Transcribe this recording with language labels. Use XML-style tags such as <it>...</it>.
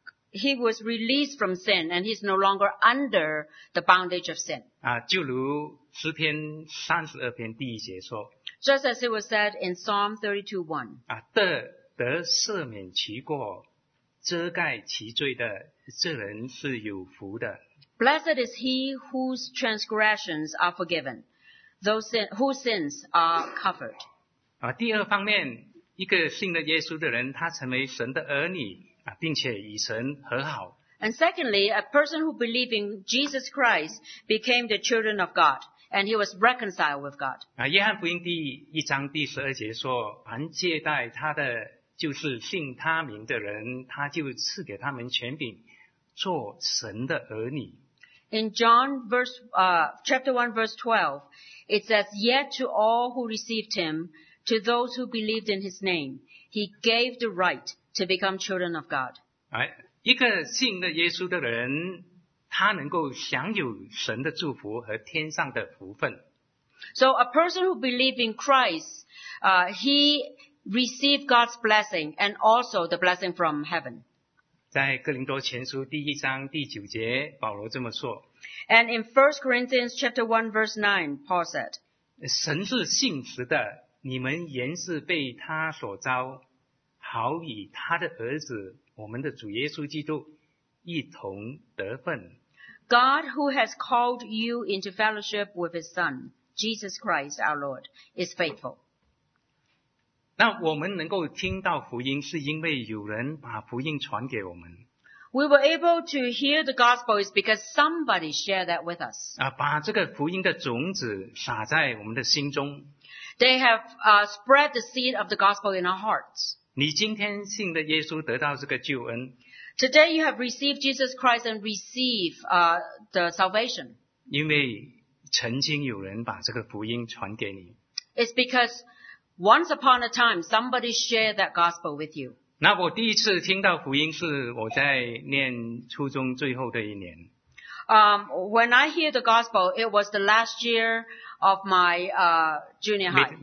<en>He was released from sin, and he's no longer under the bondage of sin.</en> <zh>啊，就如诗篇三十二篇第一节说。</zh> <en>Just as it was said in Psalm 32:1.</en> <zh>啊，得赦免其过，遮盖其罪的，这人是有福的。</zh> <en>Blessed is he whose transgressions are forgiven, whose sins are covered.</en> <zh>啊，第二方面，一个信了耶稣的人，他成为神的儿女。并且与神和好。</zh> <en>And secondly, a person who believed in Jesus Christ became the children of God, and he was reconciled with God.</en> <zh>约翰福音第一章第十二节说，凡接待他的，就是信他名的人，他就赐给他们权柄，做神的儿女。</zh> <en>In John chapter 1 verse 12, it says, Yet to all who received him, to those who believed in his name, he gave the right to become children of God.</en> <zh>一个信了耶稣的人，他能够享有神的祝福和天上的福分。</zh> <en>So a person who believes in Christ, he received God's blessing and also the blessing from heaven.</en> <zh>在哥林多前书第一章第九节，保罗这么说。</zh> <en>And in 1 Corinthians chapter 1 verse 9, Paul said,</en> <zh>神是信实的，你们原是被他所招，好与他的儿子，我们的主耶稣基督，一同得分。</zh> <en>God who has called you into fellowship with his Son, Jesus Christ our Lord, is faithful.</en> <zh>那我们能够听到福音，是因为有人把福音传给我们。</zh> <en>We were able to hear the gospel is because somebody shared that with us.</en> <zh>把这个福音的种子撒在我们的心中。</zh> <en>They have spread the seed of the gospel in our hearts.</en> <zh>你今天信的耶稣得到这个救恩。</zh> <en>Today you have received Jesus Christ and received the salvation.</en> <zh>因为曾经有人把这个福音传给你。</zh> <en>It's because once upon a time somebody shared that gospel with you.</en> <zh>那我第一次听到福音是我在念初中最后的一年。</zh> <en>When I hear the gospel, it was the last year of my junior high.</en>